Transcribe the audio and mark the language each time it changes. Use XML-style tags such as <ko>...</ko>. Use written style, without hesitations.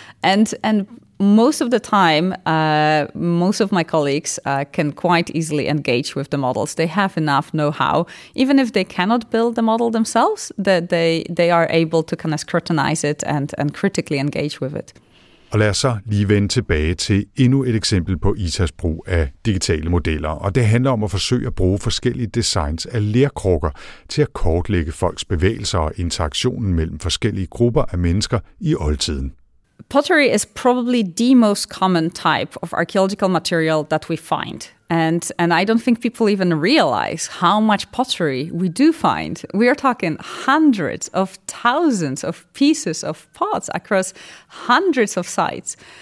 <en>And most of the time, most of my colleagues can quite easily engage with the models. They have enough know-how. Even if they cannot build the model themselves, that they are able to kind of scrutinize it and critically engage with it.</en> <da>Og lad os så lige vende tilbage til endnu et eksempel på ITAs brug af digitale modeller. Og det handler om at forsøge at bruge forskellige designs af lerkrukker til at kortlægge folks bevægelser og interaktionen mellem forskellige grupper af mennesker i oldtiden.</da> <en>Pottery is probably the most common type of archaeological material that we find. And I don't think people even realize how much pottery we do find. We are talking hundreds of thousands of pieces of pots across hundreds of sites.</en>